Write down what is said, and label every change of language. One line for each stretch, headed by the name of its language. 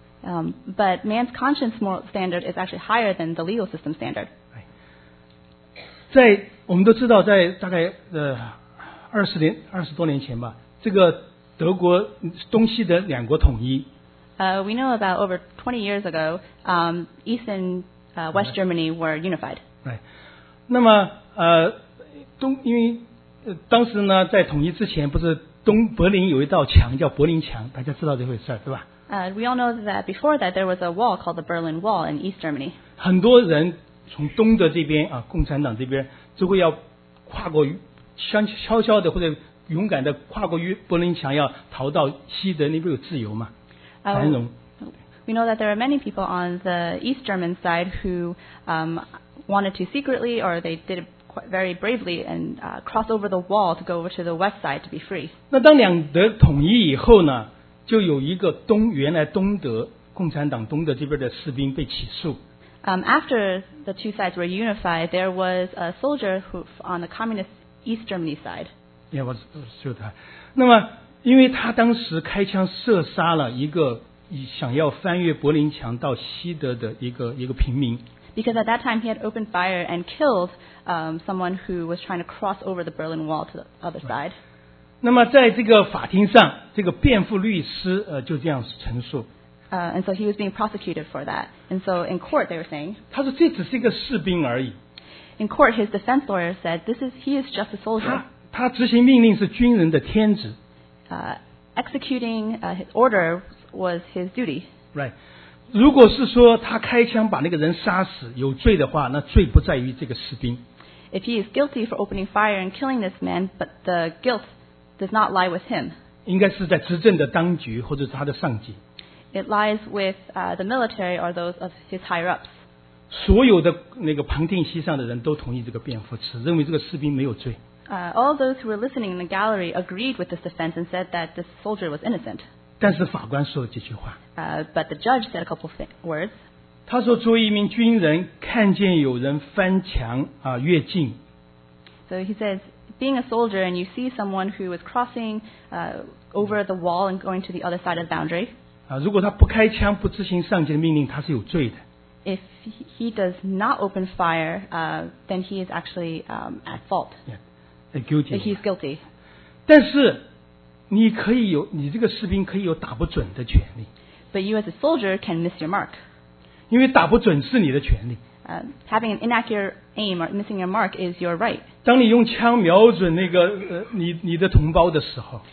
English: But man's conscience moral standard is actually higher than the legal system standard.
Chinese: 在我们都知道在大概20多年前吧，这个德国东西的两国统一。
English: We know about over 20 years ago, East and West Germany were unified. Right.
Chinese: 那么东因为、当时呢在统一之前不是东柏林有一道墙叫柏林墙，大家知道这回事儿对吧？
English: We all know that before that there was a wall called the Berlin Wall in East Germany.
Chinese: 很多人从东的这边啊，共产党这边，如果要跨过悄悄的或者勇敢的跨过柏林墙，要逃到西德那边有自由嘛，繁荣。
English: We know that there are many people on the East German side who wanted to secretly or they did quite very bravely and cross over the wall to go over to the west side to be free.
Chinese: 那当两德统一以后呢？就有一个东原来东德共产党东德这边的士兵被起诉。
English: After the two sides were unified, there was a soldier who on the communist East Germany side. Yeah, was shoot him.
Chinese: 那么，因为他当时开枪射杀了一个想要翻越柏林墙到西德的一个平民。
English: Because at that time he had opened fire and killed someone who was trying to cross over the Berlin Wall to the other side. Right.
Chinese: 那么在这个法庭上这个辩护律师就这样陈述。
English: And so he was being prosecuted for that. And so in court they were saying,
Chinese: 他说这只是一个士兵而已。
English: In court his defense lawyer said, he is just a soldier.
Chinese: 他执行命令是军人的天职。
English: Executing his order was his duty. Right.
Chinese: 如果是说他开枪把那个人杀死有罪的话，那罪不在于这个士兵。
English: If he is guilty for opening fire and killing this man, but the guiltdoes not lie with him.
Chinese: 应该是在执政的当局或者是他的上级。
English: It lies with the military or those of his higher ups.
Chinese: 所有的那个旁听席上的人都同意这个辩护词，认为这个士兵没有罪。
English: All those who were listening in the gallery agreed with this defense and said that this soldier was innocent.
Chinese: 但是法官说了几句话。
English: But the judge said a couple of words.
Chinese: 他说作为一名军人看见有人翻墙越境。
English: So he says,being a soldier and you see someone who is crossing over the wall and going to the other side of the boundary,
Chinese: 如果他不开枪不执行上级的命令他是有罪的。
English: If he does not open fire, then he is actually at fault. Yeah, guilty. He is guilty.
Chinese: 但是你可以有你这个士兵可以有打不准的权利。
English: But you as a soldier can miss your mark.
Chinese: 因为打不准是你的权利。
English: Having an inaccurate aim or missing your mark is your right.
Chinese: 当你用枪瞄准那个你的同胞的时候